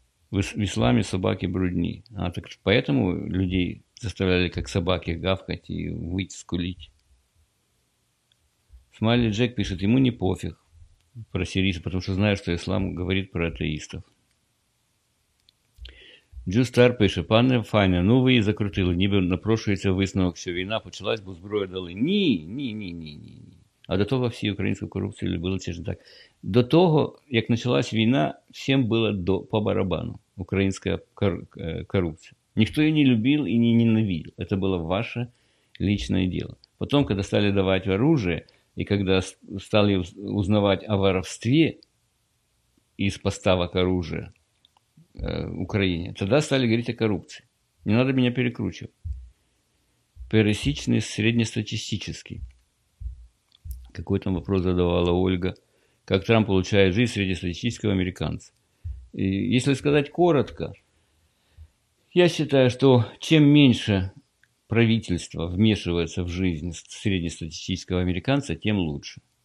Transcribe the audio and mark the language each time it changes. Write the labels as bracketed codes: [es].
[ru] В исламе собаки брудни. А так поэтому людей заставляли как собаки гавкать и выть, скулить. Смайли Джек пишет, ему не пофиг. про сирийцев, потому что знаю, что ислам говорит про атеистов. [uk] Джустар пише: пане Фаня, ну ви закрутили, ніби напрошується висновок, що війна почалась, бо зброю дали. Ні, ні, ні, ні, ні, ні. А до того всі українську корупцію любили, це ж не так. До того, як почалась війна, всім було по барабану українська корупція. Ніхто її не любив і не ненавидів. Це було ваше личне діло. [ru] Потім, коли стали давати оружие, і коли стали узнавати о воровстві із поставок оружия, Украине, тогда стали говорить о коррупции. Не надо меня перекручивать. Пересечный среднестатистический. Какой там вопрос задавала Ольга? Как Трамп получает жизнь среднестатистического американца? И если сказать коротко, я считаю, что чем меньше правительство вмешивается в жизнь среднестатистического американца, тем лучше.